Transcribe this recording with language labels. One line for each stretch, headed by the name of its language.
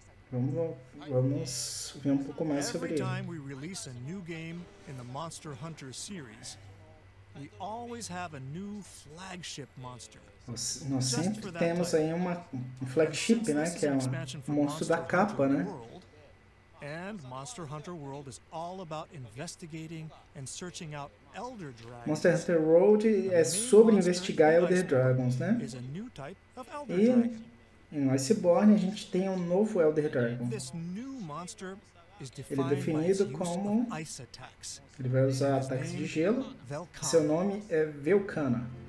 Portuguese: Vamos ver um pouco mais sobre ele.
English: Every time we release a new game in the Monster Hunter series, we always have a new flagship monster.
Portuguese: Nós sempre temos aí um flagship, né, que é um monstro da capa, né?
English: Monster Hunter World is all about investigating and searching out Elder Dragons.
Portuguese: Monster Hunter World é sobre investigar Elder Dragons, né? E em Iceborne a gente tem um novo Elder Dragon.
English: This new monster is defined by ice attacks.
Portuguese: Ele vai usar ataques de gelo. Seu nome é Vel'Kanna.